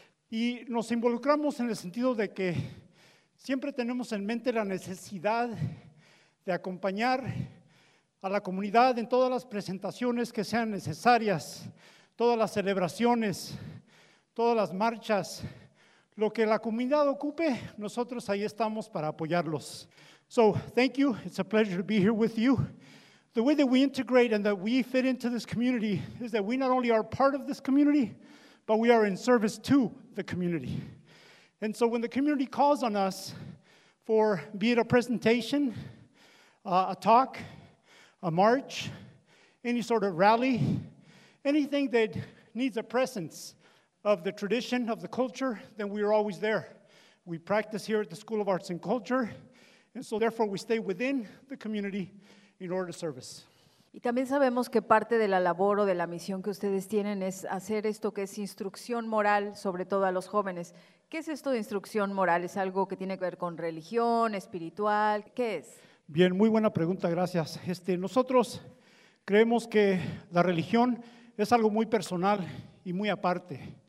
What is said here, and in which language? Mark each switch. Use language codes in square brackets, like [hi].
[es] Y nos involucramos en el sentido de que siempre tenemos en mente la necesidad de acompañar a la comunidad en todas las presentaciones que sean necesarias, todas las celebraciones, todas las marchas, lo que la comunidad ocupe, nosotros ahí estamos para apoyarlos. [en] So, thank you. It's a pleasure to be here with you. The way that we integrate and that we fit into this community is that we not only are part of this community, but we are in service to the community. And so when the community calls on us for, be it a presentation, a talk, a march, any sort of rally, anything that needs a presence of the tradition, of the culture, then we are always there. We practice here at the School of Arts and Culture, and so therefore we stay within the community in order to service. [es] Y también sabemos que parte de la labor o de la misión que ustedes tienen es hacer esto que es instrucción moral, sobre todo a los jóvenes. ¿Qué es esto de instrucción moral? ¿Es algo que tiene que ver con religión, espiritual? ¿Qué es? Bien, muy buena pregunta, gracias. Nosotros creemos que la religión es algo muy personal y muy aparte.